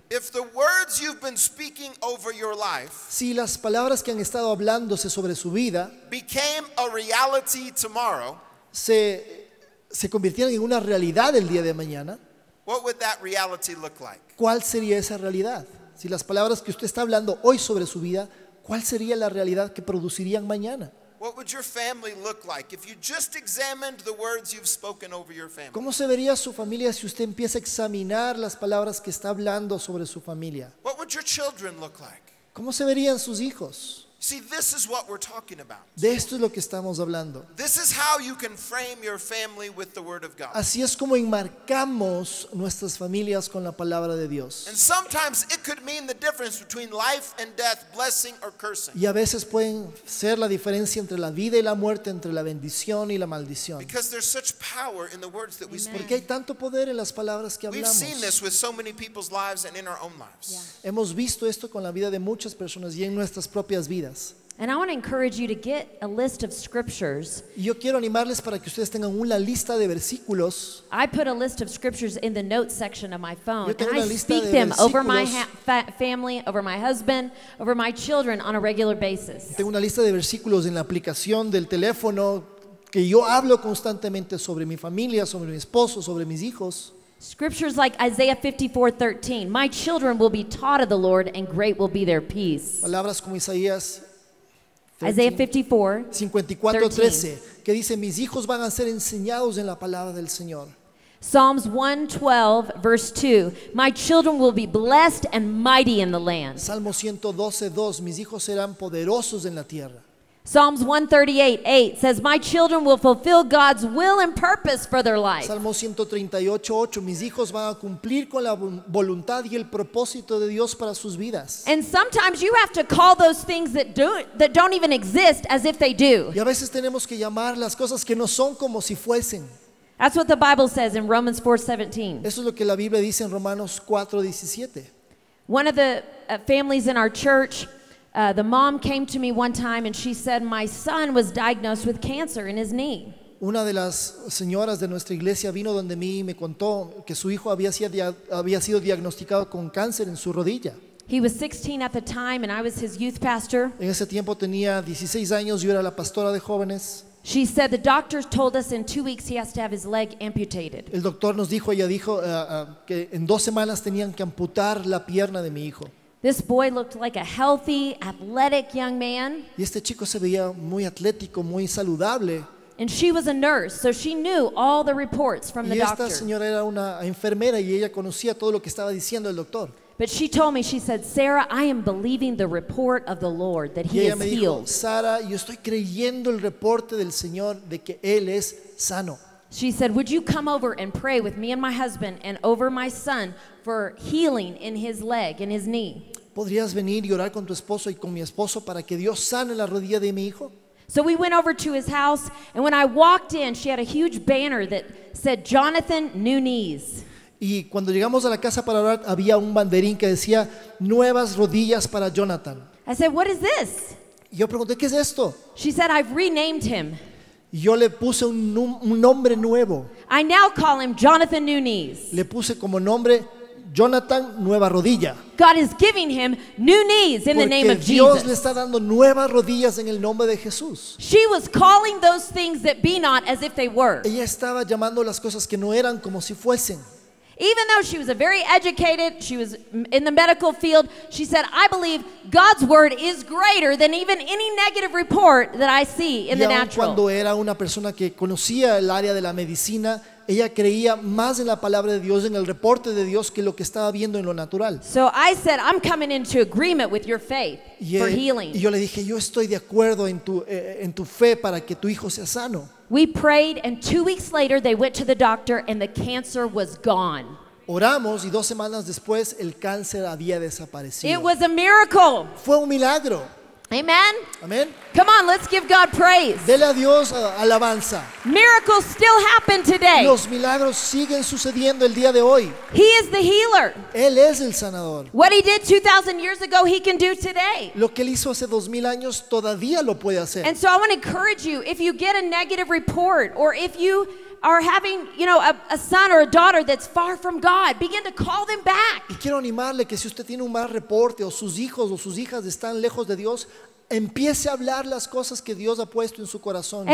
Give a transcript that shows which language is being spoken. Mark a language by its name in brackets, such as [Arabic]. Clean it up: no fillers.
[English] If the words you've been speaking over your life, [Spanish] si las palabras que han estado hablándose sobre su vida, [English] became a reality tomorrow, [Spanish] se convirtieran en una realidad el día de mañana, [English] what would that reality look like? [Spanish] ¿Cuál sería esa realidad? Si las palabras que usted está hablando hoy sobre su vida, ¿cuál sería la realidad que producirían mañana? [English] What would your family look like if you just examined the words you've spoken over your family? [Spanish] ¿Cómo se vería su familia si usted empieza a examinar las palabras que está hablando sobre su familia? [English] What would your children look like? [Spanish] ¿Cómo se verían sus hijos? [English] See, this is what we're talking about. [Spanish] De esto es lo que estamos hablando. [English] This is how you can frame your family with the word of God. [Spanish] Así es como enmarcamos nuestras familias con la palabra de Dios. [English] And sometimes it could mean the difference between life and death, blessing or cursing. [Spanish] Y a veces pueden ser la diferencia entre la vida y la muerte, entre la bendición y la maldición. [English] Because there's such power in the words that we speak. [Spanish] Porque hay tanto poder en las palabras que hablamos. [English] We've seen this with so many people's lives and in our own lives. Yeah. [Spanish] Hemos visto esto con la vida de muchas personas y en nuestras propias vidas. [English] And I want to encourage you to get a list of scriptures. [Spanish] Yo quiero animarles para que ustedes tengan una lista de versículos. [English] I put a list of scriptures in the notes section of my phone. [Spanish] Yo tengo [English] and [Spanish] una [English] I [Spanish] lista [English] speak [Spanish] de [English] them [Spanish] versículos. [English] Over my family, over my husband, over my children on a regular basis. [Spanish] Tengo una lista de versículos en la aplicación del teléfono que yo hablo constantemente sobre mi familia, sobre mi esposo, sobre mis hijos. [English] Scriptures like Isaiah 54:13, my children will be taught of the Lord and great will be their peace. [Spanish] Palabras como Isaías [English] 13, Isaiah 54:13, [Spanish] que dice mis hijos van a ser enseñados en la palabra del Señor. [English] Psalms 112 verse 2, my children will be blessed and mighty in the land. [Spanish] Salmo 112:2, mis hijos serán poderosos en la tierra. [English] Psalms 138:8 says, my children will fulfill God's will and purpose for their life. [Spanish] Salmo 138:8, mis hijos van a cumplir con la voluntad y el propósito de Dios para sus vidas. [English] And sometimes you have to call those things that don't even exist as if they do. [Spanish] Y a veces tenemos que llamar las cosas que no son como si fuesen. [English] That's what the Bible says in Romans 4:17. [Spanish] Eso es lo que la Biblia dice en Romanos 4:17. [English] One of the families in our church, the mom came to me one time and she said, my son was diagnosed with cancer in his knee. [Spanish] Una de las señoras de nuestra iglesia vino donde mí y me contó que su hijo había sido diagnosticado con cáncer en su rodilla. [English] He was 16 at the time and I was his youth pastor. [Spanish] En ese tiempo tenía 16 años y yo era la pastora de jóvenes. [English] She said, the doctors told us in 2 weeks he has to have his leg amputated. [Spanish] El doctor nos dijo, ella dijo, que en 2 semanas tenían que amputar la pierna de mi hijo. [English] This boy looked like a healthy, athletic young man. [Spanish] Y este chico se veía muy atlético, muy saludable. [English] And she was a nurse, so she knew all the reports from the doctor. [Spanish] Y esta señora era una enfermera y ella conocía todo lo que estaba diciendo el doctor. [English] But she told me, she said, Sarah, I am believing the report of the Lord that he [Spanish] y ella [English] is [Spanish] me dijo, [English] healed. [Spanish] Sara, yo estoy creyendo el reporte del Señor de que él es sano. [English] She said, would you come over and pray with me and my husband and over my son for healing in his leg, in his knee? [Spanish] ¿Podrías venir y orar con tu esposo y con mi esposo para que Dios sane la rodilla de mi hijo? [English] So we went over to his house, and when I walked in, she had a huge banner that said, Jonathan, new knees. [Spanish] Y cuando llegamos a la casa para orar, había un banderín que decía, nuevas rodillas para Jonathan. [English] I said, what is this? [Spanish] Yo pregunté, ¿qué es esto? [English] She said, I've renamed him. [Spanish] Yo le puse un nombre nuevo. [English] I now call him Jonathan New Knees. [Spanish] Le puse como nombre Jonathan Nueva Rodilla. [English] God is giving him new knees in the name of Jesus. [Spanish] Porque Dios le está dando nuevas rodillas en el nombre de Jesús. [English] She was calling those things that be not as if they were. [Spanish] Ella estaba llamando las cosas que no eran como si fuesen. [English] Even though she was a very educated, she was in the medical field, she said, I believe God's word is greater than even any negative report that I see in the natural. [Spanish] Y aun cuando era una persona que conocía el área de la medicina, ella creía más en la palabra de Dios, en el reporte de Dios, que lo que estaba viendo en lo natural. [English] So I said, I'm coming into agreement with your faith for healing. [Spanish] Y yo le dije, yo estoy de acuerdo en tu fe para que tu hijo sea sano. [English] We prayed, and 2 weeks later, they went to the doctor, and the cancer was gone. [Spanish] Oramos, y 2 semanas después, el cáncer había desaparecido. [English] It was a miracle. [Spanish] Fue un milagro. [English] Amen. [Spanish] Amen. [English] Come on, let's give God praise. [Spanish] Dele a Dios alabanza. [English] Miracles still happen today. [Spanish] Los milagros siguen sucediendo el día de hoy. [English] He is the healer. [Spanish] Él es el sanador. [English] What he did 2,000 years ago, he can do today. [Spanish] Lo que él hizo hace 2,000 años todavía lo puede hacer. [English] And so I want to encourage you, if you get a negative report or if you are having, you know, a son or a daughter that's far from God, begin to call them back. [Spanish] Y quiero animarle que si usted tiene un mal reporte o sus hijos o sus hijas están lejos de Dios, empiece a hablar las cosas que Dios ha puesto en su corazón.